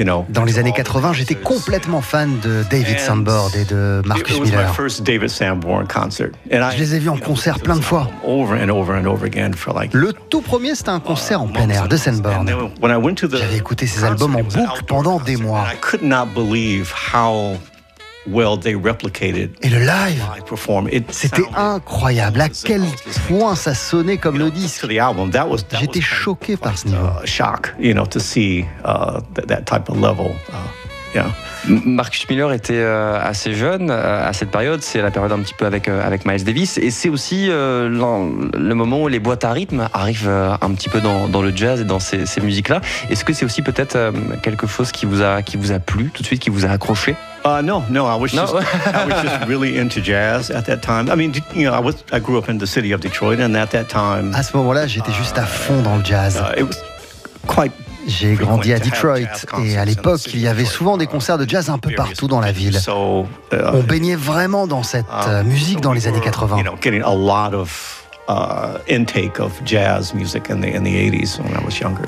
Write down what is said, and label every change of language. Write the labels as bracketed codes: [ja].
[fr] Dans les années 80, j'étais complètement fan de David Sanborn et de Marcus Miller. [en] My first David Sanborn concert. [fr] And je les ai vus en concert plein de fois. Le tout premier, c'était un concert en plein air de Sanborn. J'avais écouté ses albums en boucle pendant des mois. [en] I could not believe how well they replicated. [fr] Et le live, c'était incroyable. À quel point ça sonnait comme le disque. J'étais choqué par ce niveau. [en] Shock, you know, to see that type of level. Yeah. [fr] Marcus Miller était assez jeune à cette période. C'est la période un petit peu avec Miles Davis. Et c'est aussi le moment où les boîtes à rythme arrivent un petit peu dans le jazz et dans ces musiques-là. Est-ce que c'est aussi peut-être quelque chose qui vous a plu tout de suite, qui vous a accroché? [en] I was just really into jazz at that time. I mean, I grew up in the city of Detroit, and at that time. [fr] À ce moment-là, j'étais juste à fond dans le jazz. J'ai grandi à Detroit et à l'époque, il y avait souvent des concerts de jazz un peu partout dans la ville. On baignait vraiment dans cette musique dans les années 80. [en] Getting a lot of intake of jazz music in the 80s when I was younger.